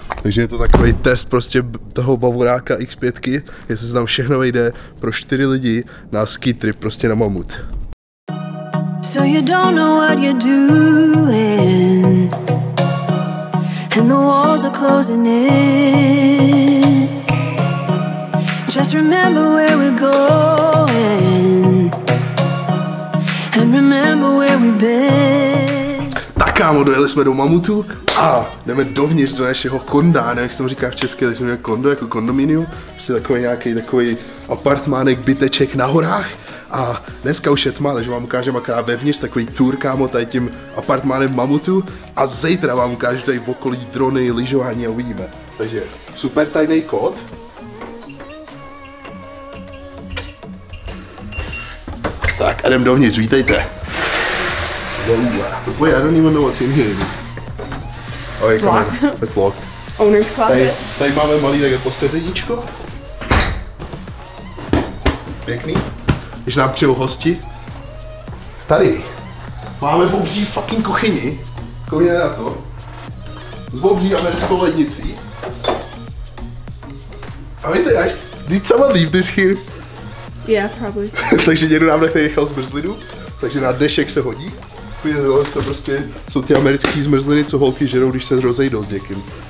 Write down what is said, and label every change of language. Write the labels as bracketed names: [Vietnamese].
[Czech] Takže je to takový test prostě toho bavoráka X5, jestli se tam všechno vejde pro 4 lidi na ski trip prostě na Mammoth. [English] So you don't know what you're doing, and the walls are closing in. Just remember where we're going, and remember where we've been. [Czech] Tak kámo, dojeli jsme do Mammothu a jdeme dovnitř do našeho konda, nevím jak se tomu říká v české, tak jsem měl kondo jako kondominium, prostě takový apartmánek, byteček na horách. A dneska už je tma, takže vám ukážem akorát vevnitř takový tour, kámo, tady tím apartmánem Mammothu a zítra vám ukážu tady v okolí drony, lyžování a uvidíme. Takže super tajný kód. Tak a jdem dovnitř, vítejte. [English] Wait, I don't even know what's in here. Okay, come on. It's locked. Owner's closet. [Czech] Tady máme malý takhle posezeníčko. Pěkný. Když nám přijou hosti, tady máme bobří fucking kuchyni, koukněte na to, s bobří americkou lednicí. A víte, až [English] did someone leave this here? Yeah, probably. [Czech] Takže někdo nám nechtej nechal zmrzlinu, takže na dešek se hodí. Tohle to prostě jsou ty americký zmrzliny, co holky žerou, když se rozejdou s někým.